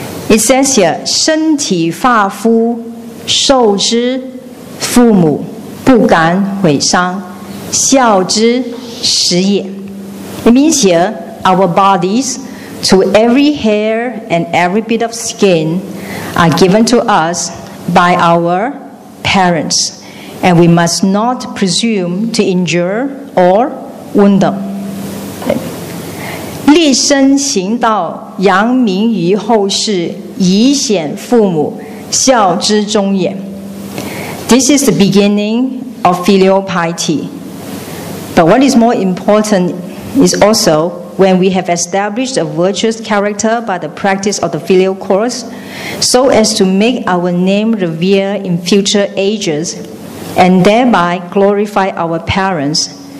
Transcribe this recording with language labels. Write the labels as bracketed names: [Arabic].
[English] It says here, [Chinese] 身体发肤受之父母不敢毁伤，孝之始也. [English] It means here, our bodies, to every hair and every bit of skin, are given to us by our parents. And we must not presume to injure or wound them. [Chinese] 立身行道，扬名于后世，以显父母，孝之终也. [English] This is the beginning of filial piety. But what is more important is also when we have established a virtuous character by the practice of the filial course, so as to make our name revered in future ages, and thereby glorify our parents.